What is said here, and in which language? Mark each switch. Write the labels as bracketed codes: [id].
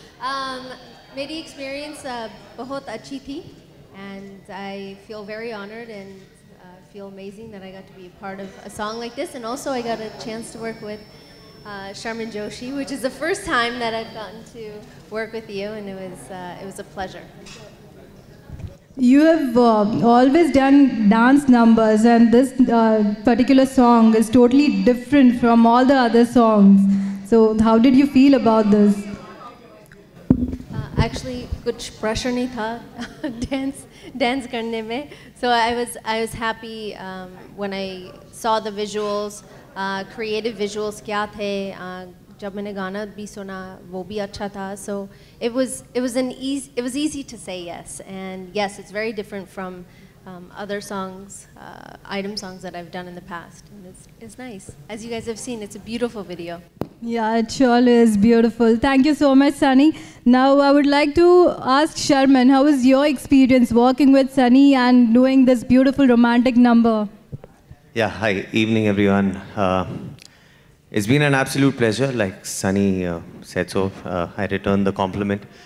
[hi] मेरी एक्सपीरियंस बहुत अच्छी थी [en] And I feel very honoured and feel amazing that I got to be part of a song like this. And also I got a chance to work with Sharman Joshi, which is the first time that I got to work with you, and it was a pleasure. You have always done dance numbers, and this particular song is totally different from all the other songs. So how did you feel about this? [hi] Actually kuch pressure nahi tha dance karne mein. [en] So I was happy when I saw the visuals, creative visuals [hi] kya the. जब मैंने गाना भी सुना वो भी अच्छा था. [en] So it was easy to say yes. And yes, it's very different from other songs, item songs that I have done in the past. It's nice. As you guys have seen, it's a beautiful video. Yeah, it surely is beautiful. Thank you so much Sunny. Now I would like to ask Sharman, how is your experience working with Sunny and doing this beautiful romantic number? Yeah, hi evening everyone. It's been an absolute pleasure, like Sunny said so. I return the compliment.